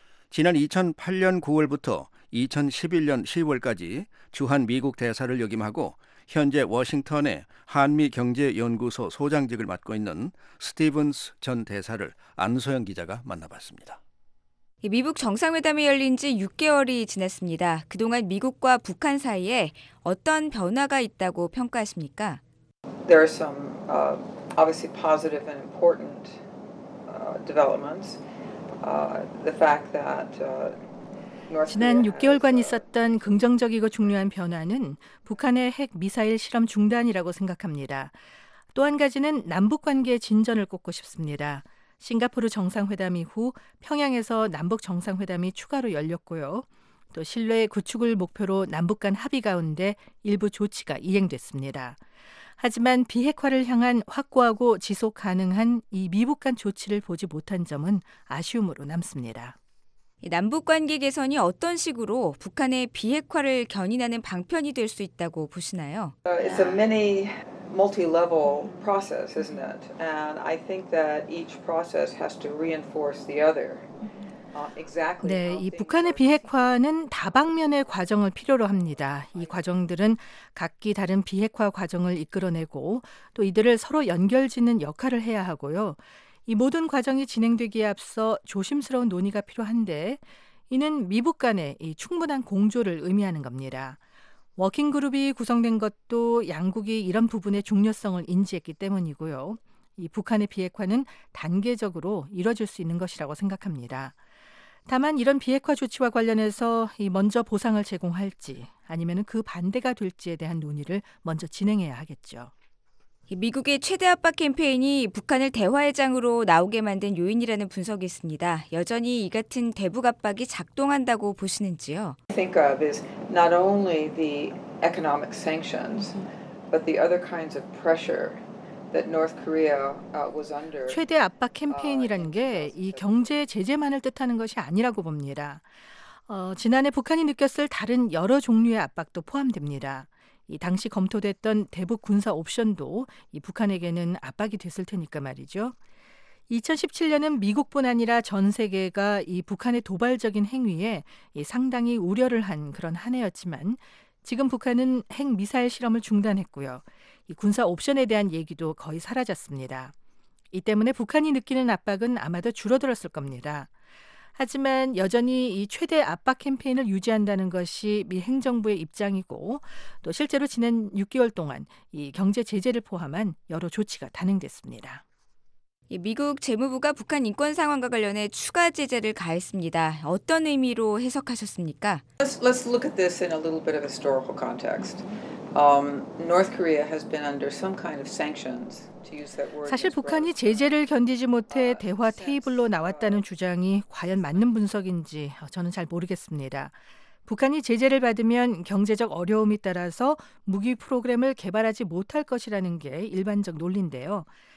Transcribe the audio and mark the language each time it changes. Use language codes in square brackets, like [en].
[ko] 지난 2008년 9월부터 2011년 10월까지 주한 미국 대사를 역임하고 현재 워싱턴의 한미경제연구소 소장직을 맡고 있는 스티븐스 전 대사를 안소영 기자가 만나봤습니다. 미북 정상회담이 열린 지 6개월이 지났습니다. 그동안 미국과 북한 사이에 어떤 변화가 있다고 평가하십니까? [en] There are some obviously positive and important developments. The fact that [ko] 지난 6개월간 있었던 긍정적이고 중요한 변화는 북한의 핵 미사일 실험 중단이라고 생각합니다. 또 한 가지는 남북 관계 진전을 꼽고 싶습니다. 싱가포르 정상회담 이후 평양에서 남북 정상회담이 추가로 열렸고요. 또 신뢰의 구축을 목표로 남북 간 합의 가운데 일부 조치가 이행됐습니다. 하지만 비핵화를 향한 확고하고 지속 가능한 이 미북 간 조치를 보지 못한 점은 아쉬움으로 남습니다. 남북관계 개선이 어떤 식으로 북한의 비핵화를 견인하는 방편이 될 수 있다고 보시나요? [en] It's a many multi-level process, isn't it? And I think that each process has to reinforce the other. [ko] 네, 이 북한의 비핵화는 다방면의 과정을 필요로 합니다. 이 과정들은 각기 다른 비핵화 과정을 이끌어내고 또 이들을 서로 연결짓는 역할을 해야 하고요. 이 모든 과정이 진행되기에 앞서 조심스러운 논의가 필요한데 이는 미북 간의 이 충분한 공조를 의미하는 겁니다. 워킹그룹이 구성된 것도 양국이 이런 부분의 중요성을 인지했기 때문이고요. 이 북한의 비핵화는 단계적으로 이뤄질 수 있는 것이라고 생각합니다. 다만 이런 비핵화 조치와 관련해서 먼저 보상을 제공할지 아니면 그 반대가 될지에 대한 논의를 먼저 진행해야 하겠죠. 미국의 최대 압박 캠페인이 북한을 대화의 장으로 나오게 만든 요인이라는 분석이 있습니다. 여전히 이 같은 대북 압박이 작동한다고 보시는지요? [en] I think of is not only the economic sanctions, but the other kinds of pressure. That North Korea was under. [ko] 최대 압박 캠페인이라는 게 이 경제 제재만을 뜻하는 것이 아니라고 봅니다. 지난해 북한이 느꼈을 다른 여러 종류의 압박도 포함됩니다. 이 당시 검토됐던 대북 군사 옵션도 이 북한에게는 압박이 됐을 테니까 말이죠. 2017년은 미국뿐 아니라 전 세계가 이 북한의 도발적인 행위에 상당히 우려를 한 그런 한 해였지만 지금 북한은 핵미사일 실험을 중단했고요. 이 군사 옵션에 대한 얘기도 거의 사라졌습니다. 이 때문에 북한이 느끼는 압박은 아마도 줄어들었을 겁니다. 하지만 여전히 이 최대 압박 캠페인을 유지한다는 것이 미 행정부의 입장이고 또 실제로 지난 6개월 동안 이 경제 제재를 포함한 여러 조치가 단행됐습니다. 미국 재무부가 북한 인권 상황과 관련해 추가 제재를 가했습니다. 어떤 의미로 해석하셨습니까? [en] Let's look at this in a little bit of historical context. North Korea has been under some kind of sanctions. [ko] 사실 북한이 제재를 견디지 못해 대화 테이블로 나왔다는 주장이 과연 맞는 분석인지 저는 잘 모르겠습니다. 북한이 제재를 받으면 경제적 어려움이 따라서 무기 프로그램을 개발하지 못할 것이라는 게 일반적 논리인데요.